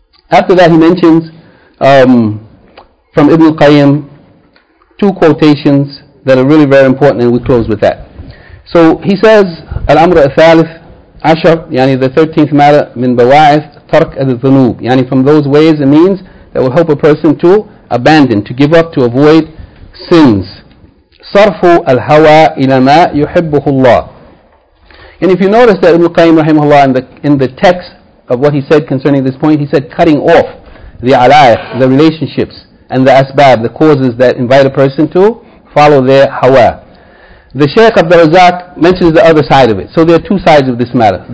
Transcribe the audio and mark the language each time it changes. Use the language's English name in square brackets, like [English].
[English] After that he mentions from Ibn Qayyim two quotations that are really very important, and we close with that. So he says, [Arabic] Al-Amr al-Thalith Ashar, [English] yani the 13th matter, [Arabic] min bawa'ith tark al-dhunub, [English] yani from those ways and means that will help a person to abandon, to give up, to avoid sins. [Arabic] صرف الهوى إلى ما يحبه الله. [English] And if you notice that Ibn Qayyim rahimahullah in the text of what he said concerning this point, he said cutting off the alaiq, the relationships and the asbab, the causes that invite a person to follow their hawa. The Shaykh Abdul Razak mentions the other side of it. So there are two sides of this matter.